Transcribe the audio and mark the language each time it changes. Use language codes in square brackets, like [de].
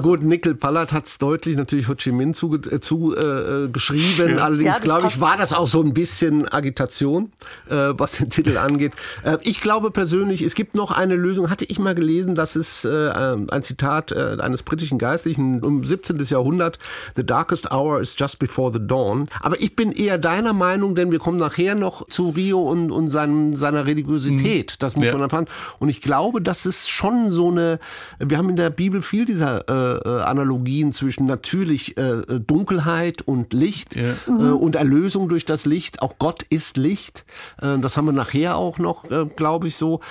[de] so. Ja gut, Nickel Ballard hat es deutlich natürlich Ho Chi Minh geschrieben. Ja. Allerdings, glaube ich, war das auch so ein bisschen Agitation, was den Titel angeht. Ich glaube persönlich, es gibt noch eine Lösung, hatte ich mal gelesen, das ist ein Zitat eines britischen Geistlichen, 17. Jahrhundert, [en] the darkest hour is just before the dawn. [de] Aber ich bin eher deiner Meinung, denn wir kommen nachher noch zu Rio und seiner Religiosität, das muss man erfahren. Und ich glaube, das ist schon so eine, wir haben in der Bibel viel dieser Analogien zwischen natürlich Dunkelheit und Licht und Erlösung durch das Licht, auch Gott ist Licht, das haben wir nachher auch noch, glaube ich, so.